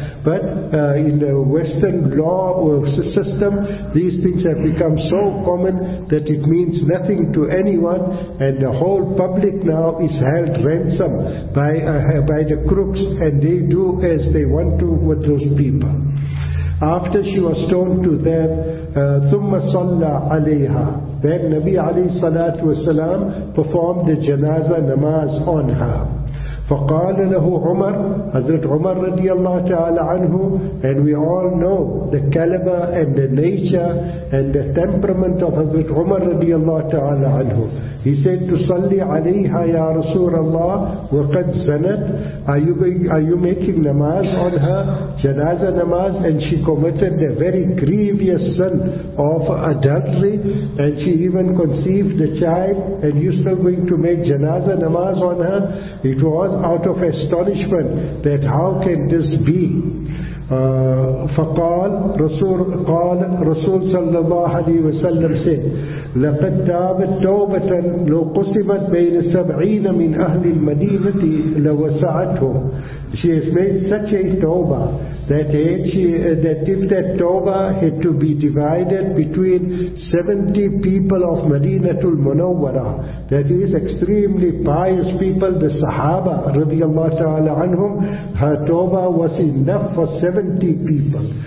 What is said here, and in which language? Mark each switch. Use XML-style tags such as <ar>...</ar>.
<en>But in the Western law or system, these things have become so common that it means nothing to anyone, and the whole public now is held ransom by the crooks, and they do as they want to with those people. After she was stoned to death,</en> <ar>ثُمَّ صَلَّى عَلَيْهَا,</ar> <en>then Nabi alayhi salatu wasalam performed the janazah namaz on her.</en> <ar>فقال له عمر, حضرت عمر رضي الله تعالى عنه,</ar> <en>and we all know the caliber and the nature and the temperament of</en> <ar>حضرت عمر رضي الله تعالى عنه.</ar> <en>He said,</en> <ar>تصلي عليها يا رسول الله وقد زنت.</ar> <en>Are you making namaz on her, janaza namaz, and she committed the very grievous sin of adultery, and she even conceived the child, and you still going to make janaza namaz on her? It was out of astonishment that how can this be.</en> <ar>فقال رسول, قال رسول صلى الله عليه وسلم</ar> <en>said,</en> <ar>لقد تابت توبة لو قسمت بين 70 من أهل المدينة لوسعتهم.</ar> <en>She has made such a tawbah that if that tawbah had to be divided between 70 people of Madinatul Munawwara, that is extremely pious people, the Sahaba radiyallahu ta'ala anhum, her tawbah was enough for 70 people.</en>